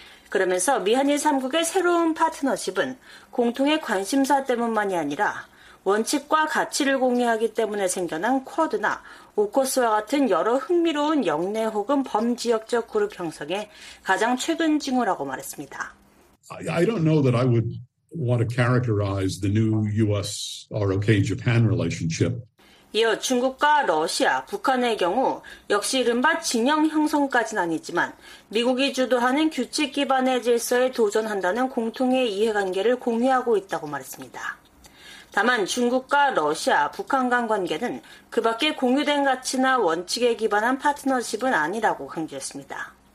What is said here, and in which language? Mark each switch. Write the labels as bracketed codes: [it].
[ko] 그러면서 미한일 3국의 새로운 파트너십은 공통의 관심사 때문만이 아니라 원칙과 가치를 공유하기 때문에 생겨난 쿼드나 오커스와 같은 여러 흥미로운 역내 혹은 범지역적 그룹 형성에 가장 최근 징후라고 말했습니다. [en] I don't know that I would want to characterize the new US ROK Japan relationship. [ko] 이어 중국과 러시아, 북한의 경우 역시 이른바 진영 형성까지는 아니지만 미국이 주도하는 규칙 기반의 질서에 도전한다는 공통의 이해관계를 공유하고 있다고 말했습니다. 다만 중국과 러시아, 북한 간 관계는 그 밖에 공유된 가치나 원칙에 기반한 파트너십은 아니라고 강조했습니다.